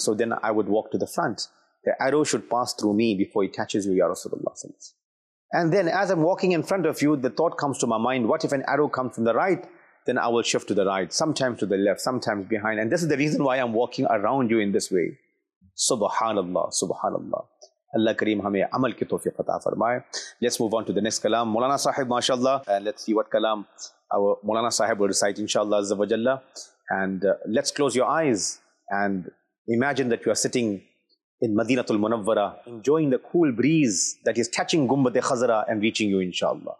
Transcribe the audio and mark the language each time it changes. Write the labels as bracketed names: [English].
[English] So then I would walk to the front. The arrow should pass through me before it touches you, Ya Rasulullah sallallahu alayhi wa sallam. And then as I'm walking in front of you, the thought comes to my mind, what if an arrow comes from the right? Then I will shift to the right, sometimes to the left, sometimes behind. And this is the reason why I'm walking around you in this way. [Arabic] سبحان اللہ سبحان اللہ. [Urdu] اللہ کریم ہمیں عمل کی توفیق عطا فرمائے. [English] Let's move on to the next kalam. Maulana sahib ماشاء اللہ, let's see what kalam maulana sahib will recite inshallah عز و جل. And let's close your eyes and imagine that you are sitting in Madinat al-Munawwara, enjoying the cool breeze that is touching Gumbad al-Khazra and reaching you inshallah.